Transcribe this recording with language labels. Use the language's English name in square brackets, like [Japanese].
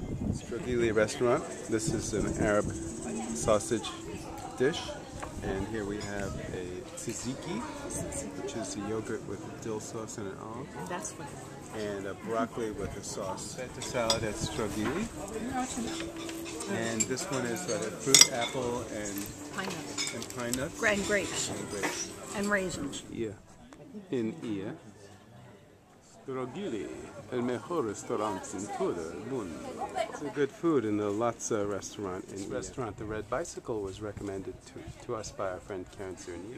[English] Stragili restaurant, this is an Arab sausage dish, and here we have a tzatziki, which is a yogurt with a dill sauce and an olive, and a broccoli with a sauce. Feta salad at Stragili, and this one is a fruit, apple, and pine nuts, and pine nuts, and grapes, and grapes, and raisins. Yeah, in Ia, [Spanish] Stragili, el mejor restaurante en todo el mundo. [English] It's a good food in the Lhotse restaurant. In this restaurant, the Red Bicycle, was recommended to us by our friend Karen Zuni.